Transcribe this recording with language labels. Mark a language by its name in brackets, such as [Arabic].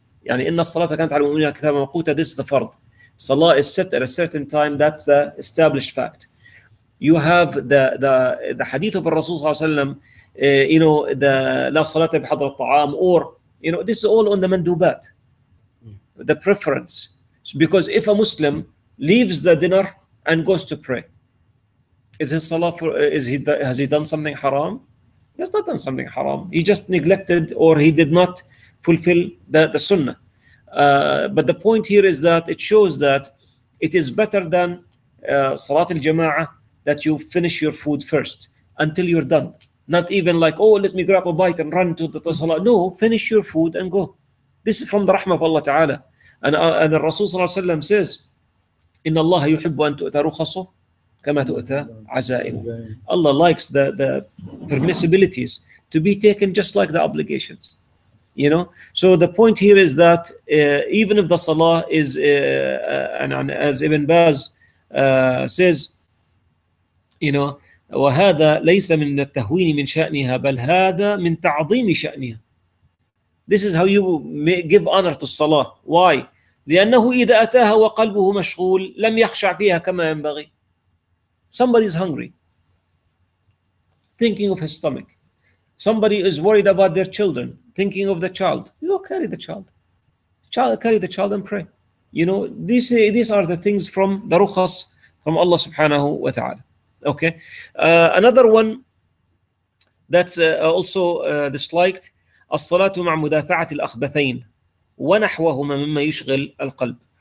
[Arabic] يعني إن الصلاة كانت على المؤمنين كتابة موقوتة. [English] This is the فرض. صلاة الست at a certain time, that's the established fact. You have the حديث of الرسول صلى الله عليه وسلم, you know, the [Arabic] لا صلاة بحضر الطعام, [English] or you know, this is all on the mandubat, the preference. So because if a Muslim leaves the dinner and goes to pray, is his salah for, is he, has he done something haram? He has not done something haram. He just neglected or he did not fulfill the sunnah. But the point here is that it shows that it is better than salat al-jama'ah that you finish your food first until you're done. Not even like, oh, let me grab a bite and run to the salah. No, finish your food and go. This is from the rahmah of Allah Ta'ala. And the Rasul Sallallahu Alaihi Wasallam says, [Arabic] إِنَّ اللَّهَ يُحِبُّ أَن تُؤْتَى رُخَصُهُ كَمَا تُؤْتَى عَزَائِمُهُ. [English] Allah likes the permissibilities to be taken just like the obligations. You know, so the point here is that even if the salah is, and as Ibn Baz says, you know, [Arabic] وَهَذَا لَيْسَ مِنْ التَّهْوِينِ مِنْ شَأْنِهَا بَلْ هَذَا مِنْ تَعْظِيمِ شَأْنِهَا. [English] This is how you give honor to salah. Why? [Arabic] لأنه إذا أتاها وقلبه مشغول لم يخشع فيها كما ينبغي. [English] Somebody is hungry, thinking of his stomach. Somebody is worried about their children, thinking of the child. You know, carry the child. Carry the child and pray. You know, these are the things from the rukhas from Allah subhanahu wa ta'ala. Okay. Another one that's also disliked. [Arabic] الصلاة مع مدافعة الأخبثين ونحوهما مما يشغل القلب.